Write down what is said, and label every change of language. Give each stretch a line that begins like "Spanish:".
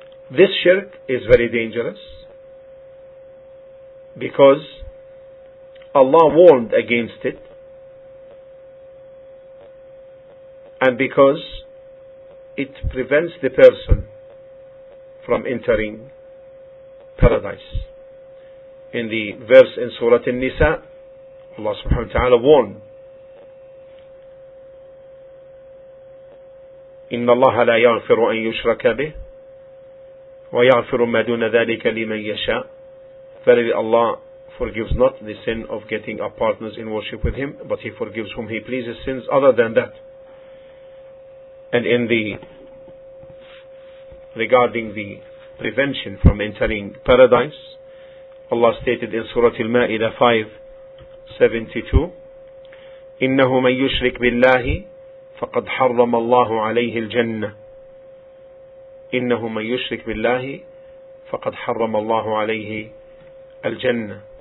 English: This shirk is very dangerous because Allah warned against it, and because it prevents the person from entering paradise. In the verse in Surah An-Nisa, Allah subhanahu wa ta'ala warned,
Arabic: إِنَّ اللَّهَ لَا يَغْفِرُ أَن يُشْرَكَ بِهِ وَيَغْفِرُ مَا دُونَ ذَلِكَ لِمَن يَشَاءُ.
English: Verily Allah forgives not the sin of getting up partners in worship with Him, but He forgives whom He pleases sins other than that. And in the regarding the prevention from entering paradise. Allah stated in Surah Al-Ma'idah 5:72,
Arabic: إِنَّهُ مَنْ يُشْرِكْ بِاللَّهِ فَقَدْ حَرَّمَ اللَّهُ عَلَيْهِ الْجَنَّةِ إِنَّهُ مَنْ يُشْرِكْ بِاللَّهِ فَقَدْ حَرَّمَ اللَّهُ عَلَيْهِ الْجَنَّةِ.